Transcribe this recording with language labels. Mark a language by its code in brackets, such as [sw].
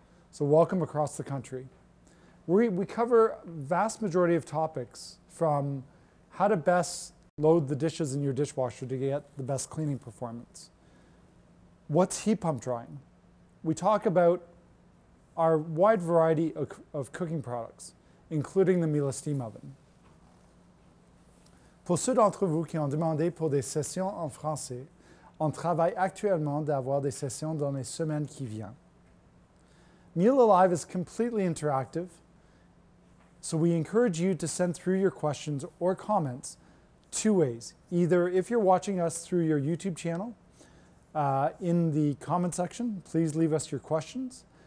[en] So welcome across the country. We cover a vast majority of topics from how to best load the dishes in your dishwasher to get the best cleaning performance. What's heat pump drying? We talk about our wide variety of cooking products, including the Miele steam oven. [fr] Pour ceux d'entre vous qui ont demandé pour des sessions en français, on travaille actuellement d'avoir des sessions dans les semaines qui viennent. [en] Miele Live is completely interactive, so we encourage you to send through your questions or comments two ways. Either if you're watching us through your YouTube channel, in the comment section, please leave us your questions.